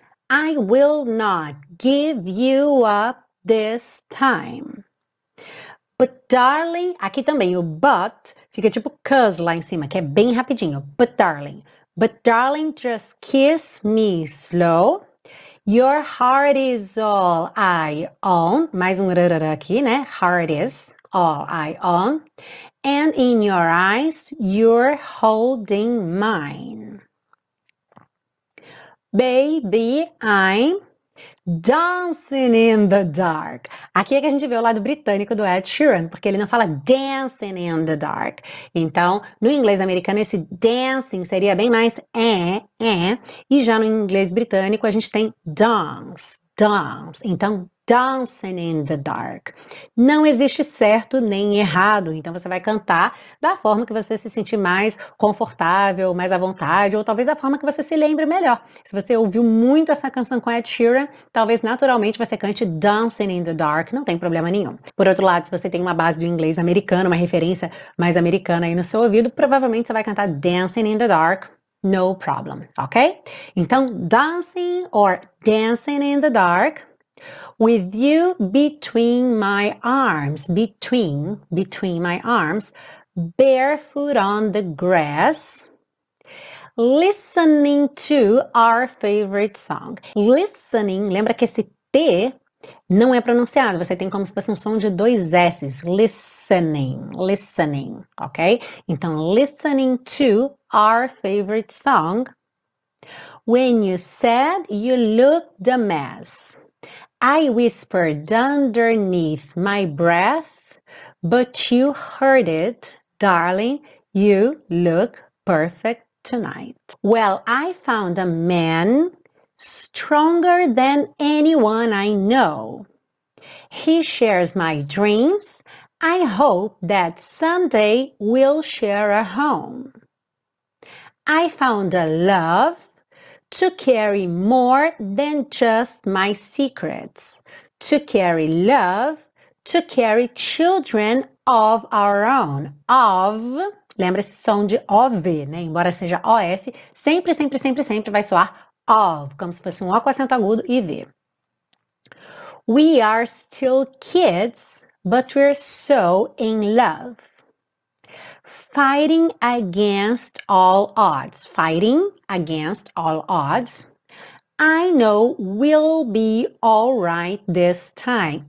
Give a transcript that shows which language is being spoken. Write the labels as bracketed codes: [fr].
[en] I will not give you up this time. But darling, [pt] aqui também o but fica tipo 'cause lá em cima, que é bem rapidinho. But darling, just kiss me slow. Your heart is all I own. Mais um rarara aqui, né? [en] Heart is all I own. And in your eyes, you're holding mine. Baby, I'm Dancing in the Dark. [pt] Aqui é que a gente vê o lado britânico do Ed Sheeran, porque ele não fala Dancing in the Dark. Então, no inglês americano, esse dancing seria bem mais e já no inglês britânico a gente tem dance, dance. Então, Dancing in the Dark. Não existe certo nem errado. Então você vai cantar da forma que você se sentir mais confortável, mais à vontade, ou talvez da forma que você se lembre melhor. Se você ouviu muito essa canção com Ed Sheeran, talvez naturalmente você cante Dancing in the Dark, não tem problema nenhum. Por outro lado, se você tem uma base do inglês americano, uma referência mais americana aí no seu ouvido, provavelmente você vai cantar Dancing in the Dark. [en] No problem, ok? Então, dancing or dancing in the dark. With you between my arms, between my arms, barefoot on the grass, listening to our favorite song. [pt] Listening, lembra que esse T não é pronunciado, você tem como se fosse um som de dois S's. [en] Listening, listening, ok? Então, listening to our favorite song. When you said you looked a mess. I whispered underneath my breath, but you heard it, darling. You look perfect tonight. Well, I found a man stronger than anyone I know. He shares my dreams. I hope that someday we'll share a home. I found a love to carry more than just my secrets, to carry love, to carry children of our own. [pt] Of, lembra-se som de OV, né? Embora seja OF, sempre, sempre, sempre, sempre vai soar of, como se fosse um O com acento agudo e V. [en] We are still kids, but we're so in love. Fighting against all odds. Fighting against all odds. I know we'll be all right this time.